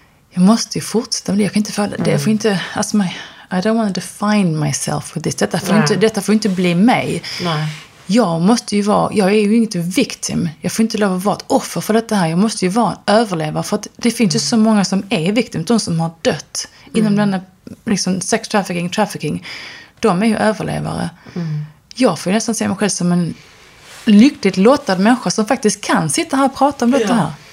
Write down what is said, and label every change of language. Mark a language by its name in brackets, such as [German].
[Swedish] Jag måste ju fortsätta med det. Jag kan inte få det. Jag får inte... [English] Alltså, I don't want to define myself with this. [Swedish] Detta får inte bli mig. Nej. Jag är ju inte victim. Jag får inte lov att vara ett offer för detta här. Jag måste ju vara en överlevare. För att det finns ju så många som är victim. De som har dött inom denna liksom sex trafficking. De är ju överlevare. Mm. Jag får ju nästan se mig själv som en lyckligt lottad människa som faktiskt kan sitta här och prata om detta här.